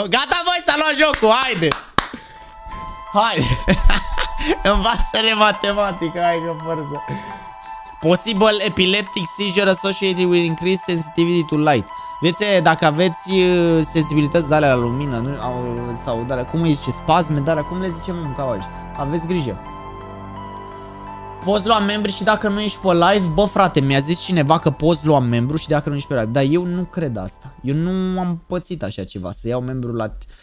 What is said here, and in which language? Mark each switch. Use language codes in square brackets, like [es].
[ro] Gata, voi să luați jocul, haide! Haide! Învață-le matematică, hai că părță. [en] Possible epileptic seizure associated with increased sensitivity to light. [ro] Vedeți, dacă aveți sensibilități de alea la lumină, nu, sau de alea, cum îi zice, spasme, de alea, cum le zicem în cauci? Aveți grijă. Poți lua membru și dacă nu ești pe live? Bă, frate, mi-a zis cineva că poți lua membru și dacă nu ești pe live. Dar eu nu cred asta. Eu nu am pățit așa ceva, să iau membru la...